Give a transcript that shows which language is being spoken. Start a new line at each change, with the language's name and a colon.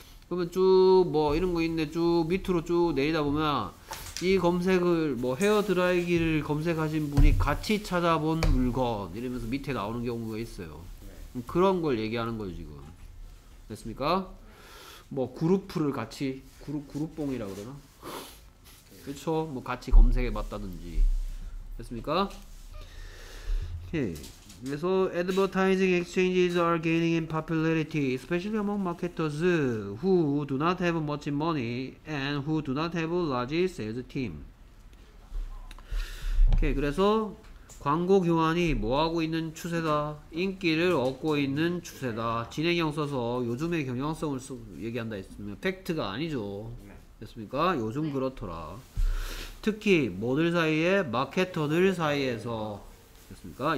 Korean: 그러면 쭉 뭐 이런 거 있는데 쭉 밑으로 쭉 내리다 보면 이 검색을 뭐 헤어 드라이기를 검색하신 분이 같이 찾아본 물건 이러면서 밑에 나오는 경우가 있어요. 네. 그런 걸 얘기하는 거예요 지금. 됐습니까? 뭐 그룹프를 같이 그룹봉이라 그러나? 그쵸? 뭐 같이 검색해 봤다든지 됐습니까? 오케이.
English: 그래서 advertising exchanges are gaining in popularity especially among marketers who do not have much money and who do not have a large sales team.
Korean: 오케이. 그래서 광고 교환이 뭐하고 있는 추세다? 인기를 얻고 있는 추세다. 진행형 써서 요즘의 경향성을 얘기한다 했으면 팩트가 아니죠. 됐습니까? 요즘 그렇더라. 특히 뭐들 사이에? 마케터들 사이에서 됐습니까?